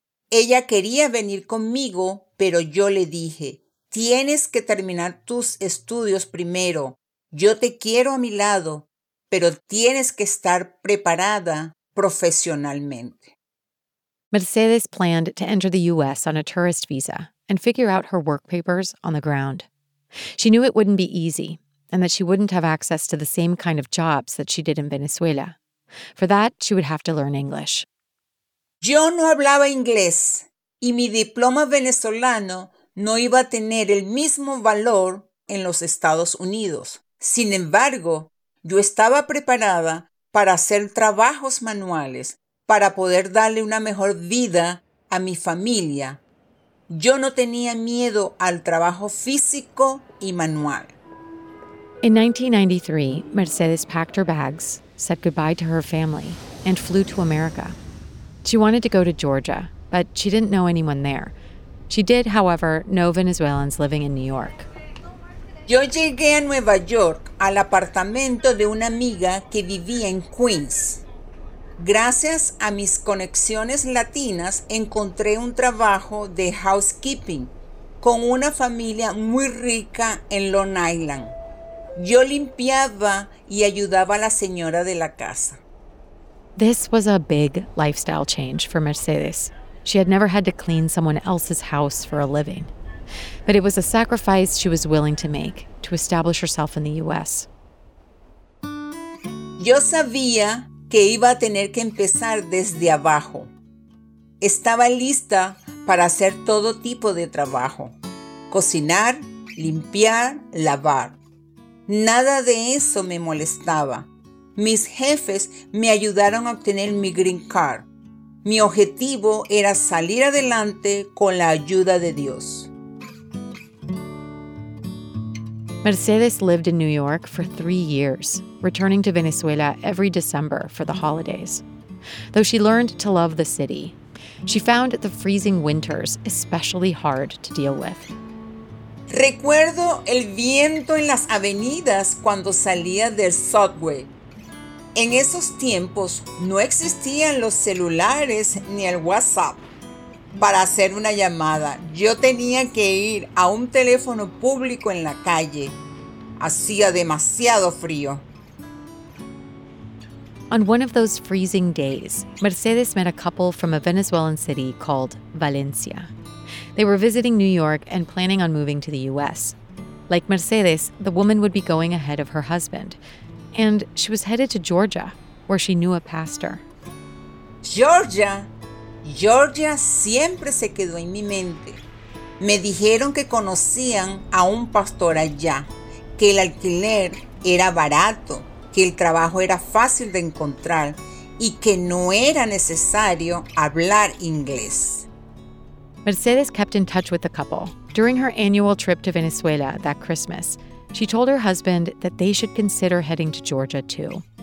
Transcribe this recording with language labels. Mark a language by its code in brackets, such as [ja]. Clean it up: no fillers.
[es] Ella quería venir conmigo, pero yo le dije, tienes que terminar tus estudios primero. Yo te quiero a mi lado, pero tienes que estar preparada profesionalmente. [en] Mercedes planned to enter the U.S. on a tourist visa and figure out her work papers on the ground. She knew it wouldn't be easy, and that she wouldn't have access to the same kind of jobs that she did in Venezuela. For that, she would have to learn English. [es] Yo no hablaba inglés, y mi diploma venezolano no iba a tener el mismo valor en los Estados Unidos. Sin embargo, yo estaba preparada para hacer trabajos manuales, para poder darle una mejor vida a mi familia. Yo no tenía miedo al trabajo físico y manual. [en] In 1993, Mercedes packed her bags, said goodbye to her family, and flew to America. She wanted to go to Georgia, but she didn't know anyone there. She did, however, know Venezuelans living in New York. [es] Yo llegué a Nueva York al apartamento de una amiga que vivía en Queens. Gracias a mis conexiones latinas, encontré un trabajo de housekeeping con una familia muy rica en Long Island. Yo limpiaba y ayudaba a la señora de la casa. [en] This was a big lifestyle change for Mercedes. She had never had to clean someone else's house for a living. But it was a sacrifice she was willing to make to establish herself in the U.S. [es] Yo sabía que iba a tener que empezar desde abajo. Estaba lista para hacer todo tipo de trabajo. Cocinar, limpiar, lavar. Nada de eso me molestaba. Mis jefes me ayudaron a obtener mi green card. Mi objetivo era salir adelante con la ayuda de Dios. [en] Mercedes lived in New York for 3 years, returning to Venezuela every December for the holidays. Though she learned to love the city, she found the freezing winters especially hard to deal with. [es] Recuerdo el viento en las avenidas cuando salía del subway. En esos tiempos no existían los celulares ni el WhatsApp. Para hacer una llamada, yo tenía que ir a un teléfono público en la calle. Hacía demasiado frío. [en] On one of those freezing days, Mercedes met a couple from a Venezuelan city called Valencia. They were visiting New York and planning on moving to the U.S. Like Mercedes, the woman would be going ahead of her husband. And she was headed to Georgia, where she knew a pastor. [es] Georgia siempre se quedó en mi mente. Me dijeron que conocían a un pastor allá, que el alquiler era barato, que el trabajo era fácil de encontrar y que no era necesario hablar inglés. [en] Mercedes kept in touch with the couple. During her annual trip to Venezuela that Christmas, she told her husband that they should consider heading to Georgia too.